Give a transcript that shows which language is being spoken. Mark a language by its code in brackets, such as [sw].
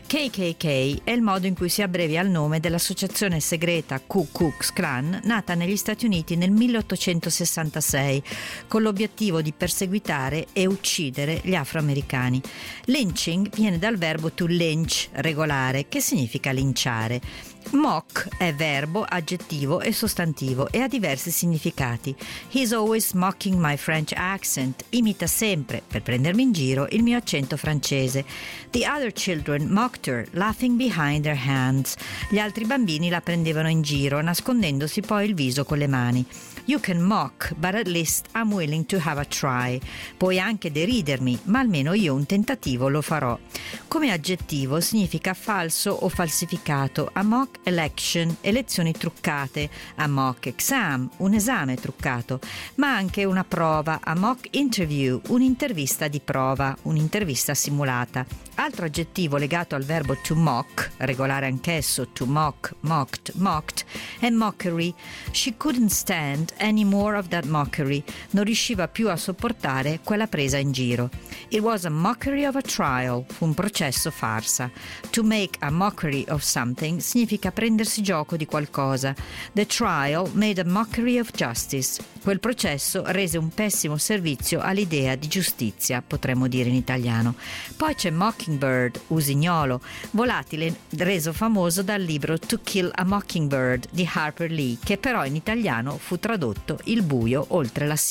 [it] KKK è il modo in cui si abbrevia il nome dell'associazione segreta Ku Klux Klan, nata negli Stati Uniti nel 1866, con l'obiettivo di perseguitare e uccidere gli afroamericani. Lynching viene dal verbo to lynch, regolare, che significa linciare. Mock è verbo, aggettivo e sostantivo e ha diversi significati. [en] He's always mocking my French accent. [it] Imita sempre, per prendermi in giro, il mio accento francese. [en] The other children mocked her, laughing behind their hands. [it] Gli altri bambini la prendevano in giro, nascondendosi poi il viso con le mani. [en] You can mock, but at least I'm willing to have a try. [it] Puoi anche deridermi, ma almeno io un tentativo lo farò. Come aggettivo significa falso o falsificato. [en] A mock election, [it] elezioni truccate. [en] A mock exam, [it] un esame truccato. Ma anche una prova. [en] A mock interview, [it] un'intervista di prova, un'intervista simulata. Altro aggettivo legato al verbo to mock, regolare anch'esso, to mock, mocked, mocked, è mockery. [en] She couldn't stand any more of that mockery. [it] Non riusciva più a sopportare quella presa in giro. [en] It was a mockery of a trial. [it] Fu un processo farsa. [en] To make a mockery of something [it] significa prendersi gioco di qualcosa. [en] The trial made a mockery of justice. [it] Quel processo rese un pessimo servizio all'idea di giustizia, potremmo dire in italiano. Poi c'è mockingbird, usignolo, volatile reso famoso dal libro To Kill a Mockingbird di Harper Lee, che però in italiano fu tradotto Il buio oltre la sera.